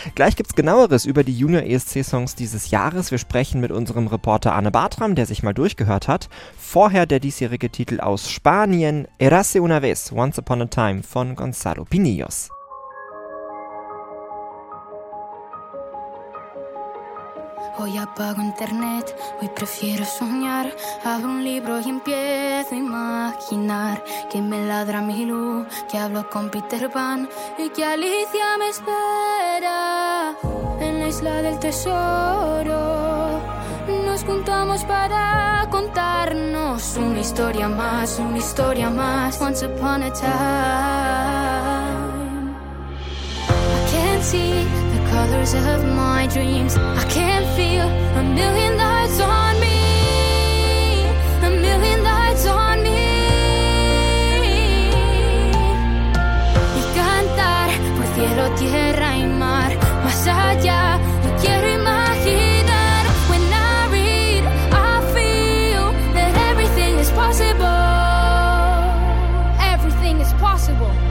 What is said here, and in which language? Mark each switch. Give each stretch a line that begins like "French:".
German: Gleich gibt's genaueres über die Junior ESC-Songs dieses Jahres. Wir sprechen mit unserem Reporter Arne Bartram, der sich mal durchgehört hat. Vorher der diesjährige Titel aus Spanien, Érase una vez, Once Upon a Time von Gonzalo Pinillos.
Spanish: Hoy apago internet, hoy prefiero soñar. Abro un libro y empiezo a imaginar que me ladra mi luz, que hablo con Peter Pan y que Alicia me espera en la isla del tesoro. Nos juntamos para contarnos una historia más,
English: once upon a time. I can't see the colors of my dreams. I can't feel a million lights on me. A million lights on me.
Spanish: Y cantar por cielo, tierra y mar. Más allá, no quiero imaginar.
English: When I read, I feel that everything is possible. Everything is possible.